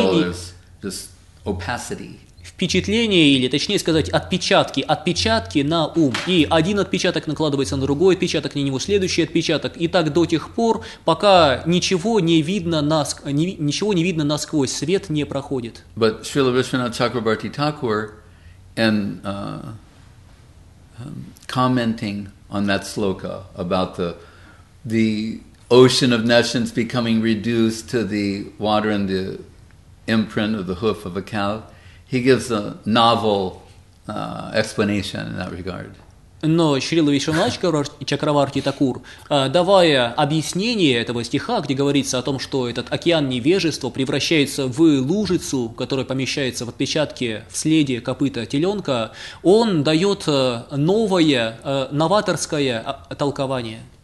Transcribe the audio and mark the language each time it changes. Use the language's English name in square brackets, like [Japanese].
[English] until there's just opacity. [Russian] Впечатление, или точнее сказать, отпечатки. Отпечатки на ум. И один отпечаток накладывается на другой отпечаток, на него следующий отпечаток. И так до тех пор, пока ничего не видно насквозь, свет не проходит. [English] But Srila Vishwanath Chakrabarti Thakur, in commenting on that sloka about the ocean of nations becoming reduced to the water and the imprint of the hoof of a cow, he gives a novel explanation in that regard. [Russian] Но Шрила Вишванатх Чакраварти Такур, давая объяснение этого стиха, где говорится о том, что этот океан невежества превращается в лужицу, которая помещается в отпечатке в следе копыта теленка, он дает новое, новаторское толкование.